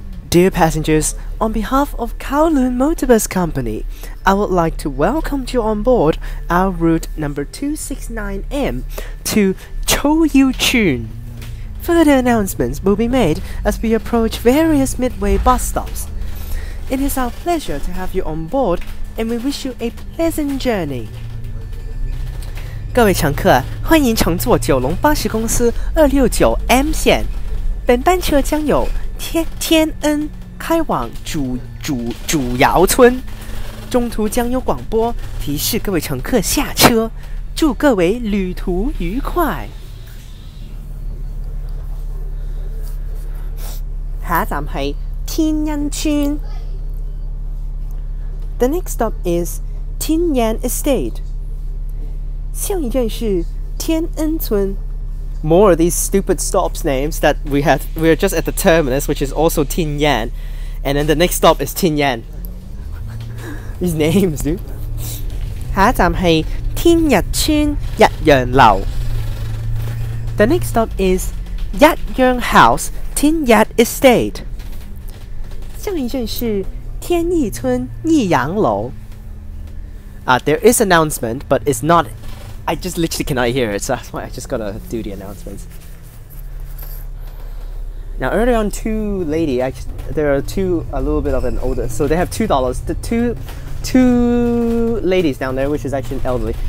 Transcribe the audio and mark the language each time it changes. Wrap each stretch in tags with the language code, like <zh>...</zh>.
<en>Dear passengers, on behalf of Kowloon Motorbus Company, I would like to welcome you on board our route number 269M to Cho Yiu Chuen. Further announcements will be made as we approach various midway bus stops. It is our pleasure to have you on board, and we wish you a pleasant journey.</en> <zh>各位乘客，欢迎乘坐九龙巴士公司二六九M线。本班车将由天恩开往主窑村，中途将有广播提示各位乘客下车。祝各位旅途愉快。下一站是天恩村。</zh> <en>The next stop is Tin Yan Estate.</en> <zh>下一站是天恩村。</zh> <en>More of these stupid stops names that we had. We are just at the terminus, which is also Tin Yan, and then the next stop is Tin Yan. These names, dude.</en> <zh>下一站是天日村日阳楼。</zh> <en>The next stop is Yi Yang House Tin Yi Estate.</en> <zh>下一站是天日村日阳楼。</zh> <en>There is announcement, but it's not. I just literally cannot hear it, so that's why I just gotta do the announcements. Now, earlier on, they have $2. The two ladies down there, which is actually an elderly.</en>